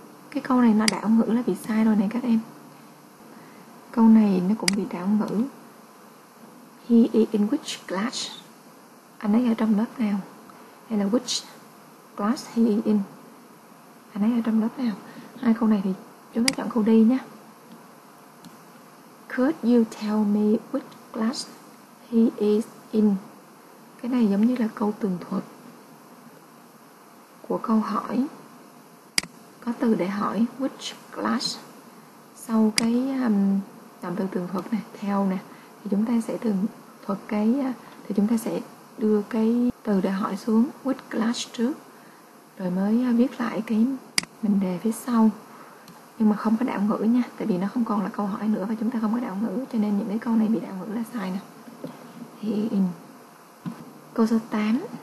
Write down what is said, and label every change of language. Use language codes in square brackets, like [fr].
[vi] Cái câu này nó đảo ngữ là bị sai rồi này các em. Câu này nó cũng bị đảo ngữ. [en] He is in which class? [vi] Anh ấy ở trong lớp nào? Hay là [en] which class he is in? [vi] Anh ấy ở trong lớp nào? Hai câu này thì chúng ta chọn câu D nhé. [en] Could you tell me which class he is in? [vi] Cái này giống như là câu tường thuật của câu hỏi. Có từ để hỏi which class sau cái động từ tường thuật này, tell nè. Thì chúng ta sẽ thường thuật cái thì chúng ta sẽ đưa cái từ để hỏi xuống which class trước rồi mới viết lại cái mình đề phía sau, nhưng mà không có đảo ngữ nha, tại vì nó không còn là câu hỏi nữa và chúng ta không có đảo ngữ, cho nên những cái câu này bị đảo ngữ là sai nè. He in. Câu số 8.